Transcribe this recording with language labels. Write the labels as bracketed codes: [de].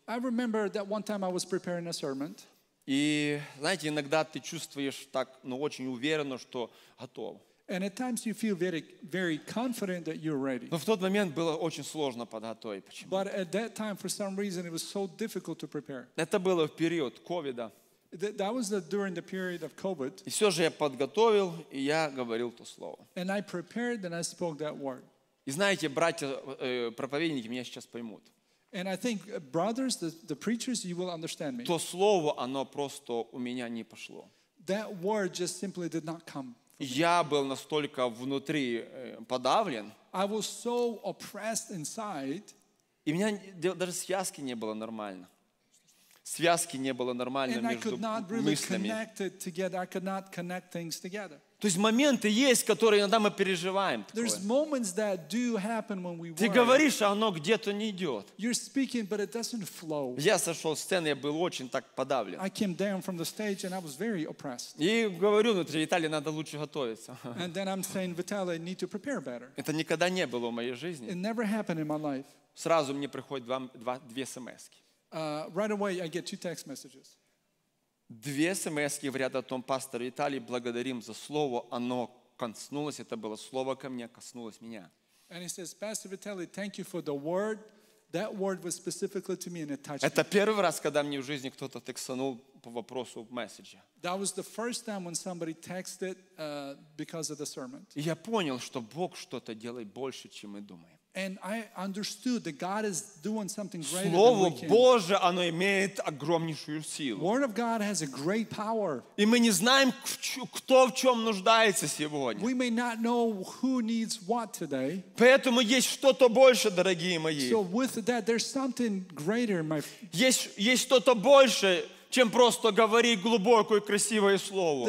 [en] I remember that one time I was preparing a sermon. [ru] И знаете, иногда ты чувствуешь так, ну очень уверенно, что готов. [en] And at times you feel very, very confident that you're ready. [ru] Но в тот момент было очень сложно подготовить. Почему? [en] But at that time, for some reason, it was so difficult to prepare. [ru] Это было в период COVID. [en] That was during the period of COVID. [ru] И все же я подготовил, и я говорил то слово. [en] And I prepared, and I spoke that word. [ru] И знаете, братья проповедники меня сейчас поймут. [en] And I think brothers, the preachers, you will understand me. [ru] То слово, оно просто у меня не пошло. [en] That word just simply did not come. [ru] Я был настолько внутри подавлен. [en] I was so oppressed inside. [ru] И у меня даже связки не было нормально. Связки не было нормально между мыслями. [en] And I could not really connect it together. I could not connect things together. [ru] То есть моменты есть, которые иногда мы переживаем. Такое. Ты говоришь, а оно где-то не идет. [en] Speaking, [ru] я сошел с сцены, я был очень так подавлен. И говорю внутри, Виталий, надо лучше готовиться. [en] Saying, [ru] это никогда не было в моей жизни. Сразу мне приходят две смс-ки. Две смс-ки говорят о том, пастор Виталий, благодарим за слово, оно коснулось, это было слово ко мне, коснулось меня. [en] And he says, Pastor Vitaly, thank you for the word. That word was specifically to me and it touched [ru] это первый раз, когда мне в жизни кто-то текстанул по вопросу месседжа. [en] That was the first time when somebody texted because of the sermon. [ru] И я понял, что Бог что-то делает больше, чем мы думаем. [en] And I understood that God is doing something greater than we can. [ru] Слово Божье, оно имеет огромнейшую силу. [en] Word of God has a great power. [ru] И мы не знаем, кто в чем нуждается сегодня. [en] We may not know who needs what today. [ru] Поэтому есть что-то больше, дорогие мои. [en] So with that, there's something greater, my. [ru] Есть что-то больше, чем просто говорить глубокое красивое слово.